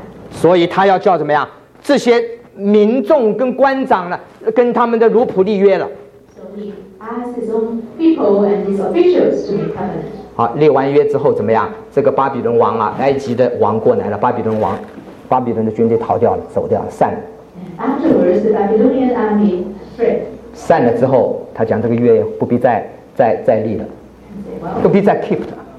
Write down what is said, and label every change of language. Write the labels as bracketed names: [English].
[Chinese] 所以他要叫怎么样？这些民众跟官长呢，跟他们的奴仆立约了。 [English] So he asked his own people and his officials to make covenant. [Chinese] 好，立完约之后怎么样？这个巴比伦王啊，埃及的王过来了，巴比伦的军队逃掉了，走掉了，散了。 [English] Afterwards, the Babylonian army fled. [Chinese] 散了之后，他讲这个约不必再立了，不必再 keep 了。